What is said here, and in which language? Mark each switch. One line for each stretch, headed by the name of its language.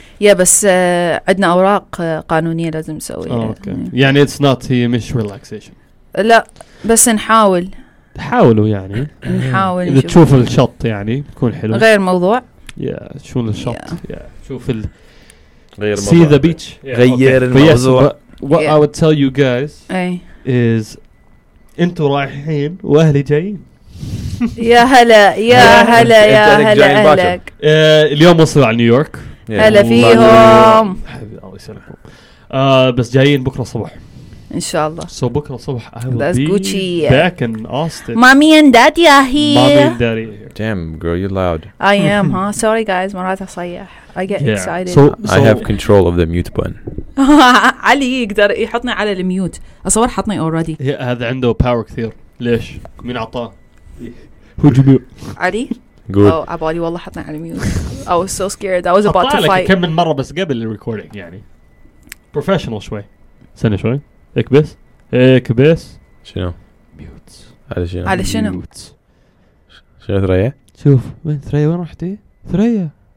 Arabic: Yeah, بس عندنا أوراق قانونية لازم نسويها.
English: Okay.
Arabic: يعني
English: it's not
Arabic: هي مش relaxation. لا بس نحاول. حاولوا يعني. نحاول. إذا تشوف الشط يعني بيكون حلو. غير موضوع. Yeah, شو الشط. Yeah. شوف ال. غير موضوع.
English: See the beach.
Arabic: غير الموضوع.
English: What I would tell you guys is,
Arabic: أنتوا رايحين وأهلي جايين. يا هلا يا هلا يا هلا أهلك اليوم وصلوا على نيويورك هلا فيهم الله يسلمكم بس جايين بكرة صبح إن شاء الله
English: so
Arabic: بكرة صبح
English: I will be Gucci. Back in Austin mommy and daddy are here damn girl you're loud I am huh sorry guys
Arabic: مرات أصيح
English: I get excited I have control of the mute button
Arabic: علي يقدر يحطني على الميوت أصور حطني already هذا عنده power كثير ليش مين عطاه علي قول او عبالي والله حطنا على ميوت
English: I was so scared I was about to fight
Arabic: كم من مرة بس قبل الريكوردينج يعني بروفيشنال شوي سنة شوي اكبس شنو ميوت على شنو على شنو ميوت شنو ثريا شوف وين ثريا وين رحتي ثريا